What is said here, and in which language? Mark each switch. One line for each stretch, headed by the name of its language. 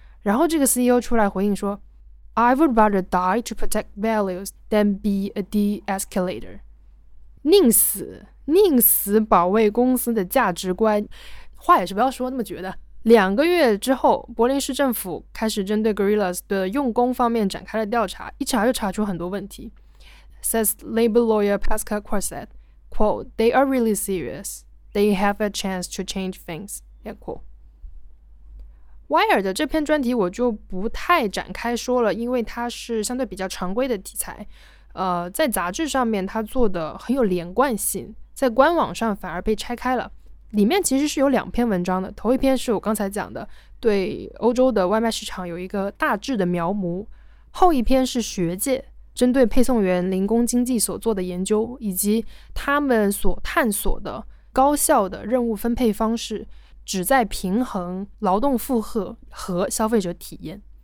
Chinese: 然后这个 CEO 出来回应说，
English: I would rather die to protect values than be a de-escalator.
Chinese: 宁死保卫公司的价值观，话也是不要说那么绝的。两个月之后，柏林市政府开始针对 Gorillas 的用工方面展开了调查，一查就查出很多问题。
English: Says labor lawyer Pascal Corset, quote, they are really serious. They have a chance to change things, end quote.
Chinese: Wire 的这篇专题我就不太展开说了，因为它是相对比较常规的题材。在杂志上面它做的很有连贯性，在官网上反而被拆开了。里面其实是有两篇文章的，头一篇是我刚才讲的，对欧洲的外卖市场有一个大致的描摹，后一篇是学界针对配送员零工经济所做的研究，以及他们所探索的高效的任务分配方式，旨在平衡劳动负荷和消费者体验。